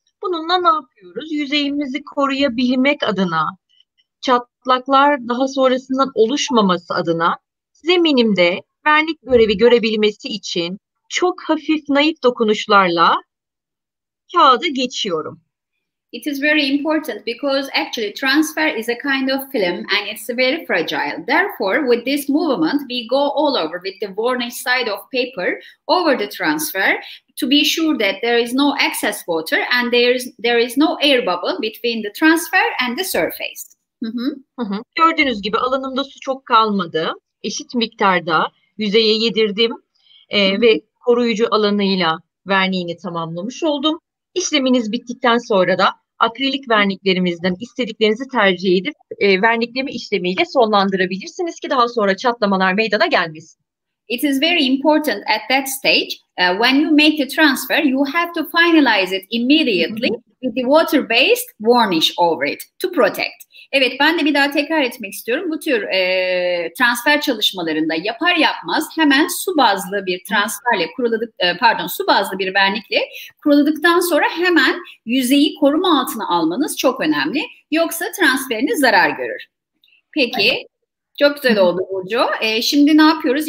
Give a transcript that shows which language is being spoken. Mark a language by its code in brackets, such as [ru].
[tr] Bununla ne yapıyoruz? Yüzeyimizi koruyabilmek adına, çatlaklar daha sonrasından oluşmaması adına zeminimde vernik görevi görebilmesi için çok hafif naif dokunuşlarla kağıdı geçiyorum. [en] It is very important because actually transfer is a kind of film and it's very fragile. Therefore, with this movement, we go all over with the varnish side of paper over the transfer to be sure that there is no excess water and there is no air bubble between the transfer and the surface. [tr] Gördüğünüz gibi alanımda su çok kalmadı. Eşit miktarda yüzeye yedirdim ve koruyucu alanıyla verniğini tamamlamış oldum. İşleminiz bittikten sonra da akrilik verniklerimizden istediklerinizi tercih edip vernikleme işlemiyle sonlandırabilirsiniz ki daha sonra çatlamalar meydana gelmesin. [en] It is very important at that stage when you make the transfer you have to finalize it immediately with the water based varnish over it to protect. [tr] Evet, ben de bir daha tekrar etmek istiyorum. Bu tür transfer çalışmalarında yapar yapmaz hemen su bazlı bir transferle su bazlı bir vernikle kuruladıktan sonra hemen yüzeyi koruma altına almanız çok önemli. Yoksa transferiniz zarar görür. Peki. Çok güzel oldu Burcu. Şimdi ne yapıyoruz?